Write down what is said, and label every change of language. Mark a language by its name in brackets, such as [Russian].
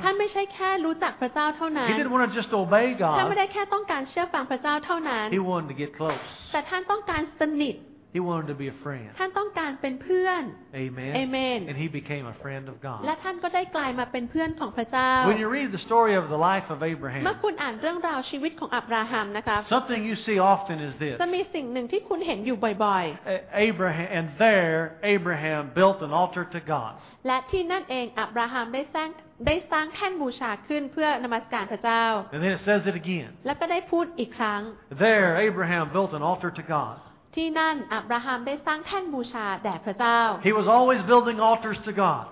[Thai] ท่านไม่ใช่แค่รู้จักพระเจ้าเท่านั้น [English] He didn't want to just obey God [Thai] ท่านไม่ได้แค่ต้องการเชื่อฟังพระเจ้าเท่านั้น [English] He wanted to get close [Thai] แต่ท่านต้องการสนิท [English] He wanted to be a friend. [Thai] ท่านต้องการเป็นเพื่อน [English] Amen. Amen. And he became a friend of God. [Thai] และท่านก็ได้กลายมาเป็นเพื่อนของพระเจ้า [English] When you read the story of the life of Abraham, [Thai] เมื่อคุณอ่านเรื่องราวชีวิตของอับราฮัมนะคะ [English] Something you see often is this. [Thai] จะมีสิ่งหนึ่งที่คุณเห็นอยู่บ่อย [English] ๆ Abraham and there Abraham built an altar to God. [Thai] และที่นั่นเองอับราฮัมได้สร้างแท่นบูชาขึ้นเพื่อนมัสการพระเจ้า [English] And then it says it again. [Thai] แล้วก็ได้พูดอีกครั้ง [English] There Abraham built an altar to God. [Thai] ที่นั่นอับราฮัมได้สร้างแท่นบูชาแด่พระเจ้า [English] He was always building altars to God